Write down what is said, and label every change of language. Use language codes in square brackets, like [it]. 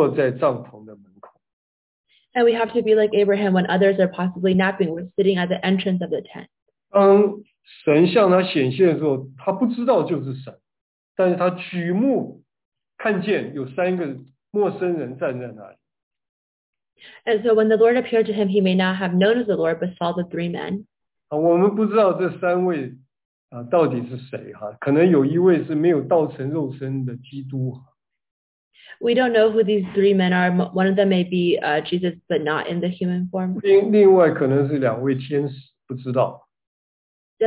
[zh] 而且我们要像亚伯拉罕一样，别人可能都去休息睡午觉，他就坐在帐篷的门口。 [en] And we have to be like Abraham when others are possibly napping, we're sitting at the entrance of the tent. [zh] 当神向他显现的时候，他不知道就是神，但是他举目看见有三个陌生人站在那里。 [en] And so when the Lord appeared to him, he may not have known as the Lord, but saw the three men. [zh] 我们不知道这三位到底是谁，可能有一位是没有道成肉身的基督。 [en] We don't know who these three men are. One of them may be Jesus, but not in the human form. [zh] 另外可能是两位天使，不知道。 [en] The